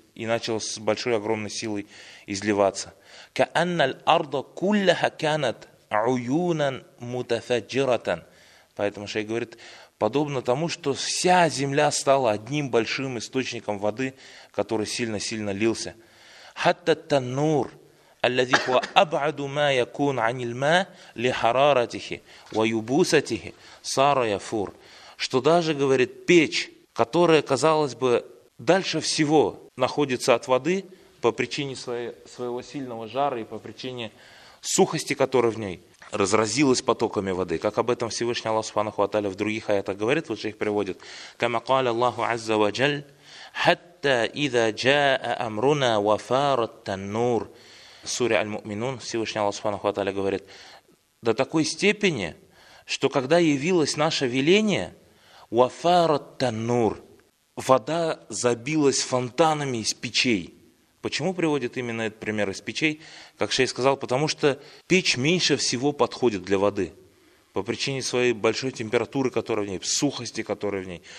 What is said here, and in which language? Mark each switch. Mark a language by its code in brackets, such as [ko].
[ru] И начала с большой огромной силой изливаться. [ar] كَأَنَّ الْأَرْضَ كُلَّهَ كَانَتْ عُيُونًا مُتَفَجِّرَةً. [ru] Поэтому шейх говорит, подобно тому, что вся земля стала одним большим источником воды, который сильно-сильно лился. [ar] حَتَّ التَّنُّرْ الذي هو أبعد ما يكون عن الماء لحرارته ويبوسته صار يفور. [ru] Что даже, говорит, печь, которая, казалось бы, дальше всего находится от воды по причине своего сильного жара и по причине сухости, которая в ней, разразилась потоками воды. Как об этом Всевышний Аллах Субханаху ва Тааля в других аятах говорит, вот же их приводит. [ar] كما قال الله عز وجل حتى إذا جاء أمرنا وفارت التنور. [ru] В суре «Аль-Му'минун» Всевышний Аллах Субханаху ва Тааля говорит, до такой степени, что когда явилось наше веление, [ar] «Вафарат-Таннур», [ru] вода забилась фонтанами из печей. Почему приводит именно этот пример из печей? Как шейх сказал, потому что печь меньше всего подходит для воды по причине своей большой температуры, которая в ней, сухости, которая в ней.